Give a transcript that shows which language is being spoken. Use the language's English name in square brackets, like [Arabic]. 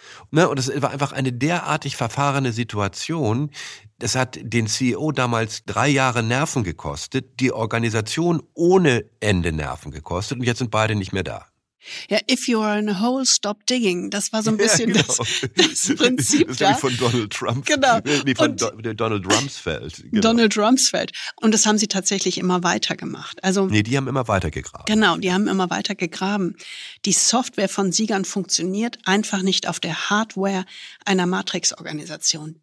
[German] Und das war einfach eine derartig verfahrene Situation. Das hat den CEO damals 3 Jahre Nerven gekostet, die Organisation ohne Ende Nerven gekostet und jetzt sind beide nicht mehr da. [English] Ja, if you are in a hole, stop digging. [German] Das war so ein bisschen das Prinzip. Das ist von Donald Trump. Genau. Donald Rumsfeld. Genau. Donald Rumsfeld. Und das haben sie tatsächlich immer weiter gemacht. Also, nee, die haben immer weiter gegraben. Genau, die haben immer weiter gegraben. Die Software von Siegern funktioniert einfach nicht auf der Hardware einer Matrix-Organisation.